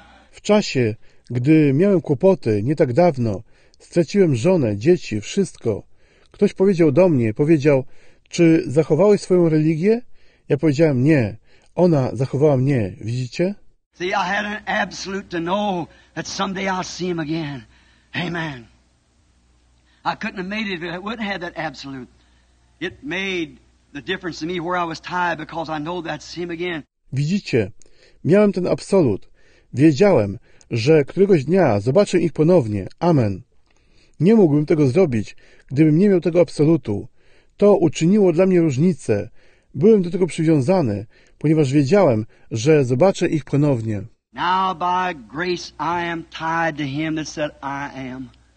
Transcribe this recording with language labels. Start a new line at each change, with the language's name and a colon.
Polish: W czasie, gdy miałem kłopoty, nie tak dawno, straciłem żonę, dzieci, wszystko. Ktoś powiedział do mnie, powiedział, czy zachowałeś swoją religię? Ja powiedziałem, nie, ona zachowała mnie, widzicie?
English: See, I had an absolute to know that someday I'll see him again. Amen. I couldn't have made it if I wouldn't have that absolute. It made the difference to me where I was tied because I know that's him again.
Polish: Widzicie, miałem ten absolut. Wiedziałem, że któregoś dnia zobaczę ich ponownie. Amen. Nie mógłbym tego zrobić, gdybym nie miał tego absolutu. To uczyniło dla mnie różnicę. Byłem do tego przywiązany, ponieważ wiedziałem, że zobaczę ich ponownie.
English: Now by grace I am tied to him that said I am.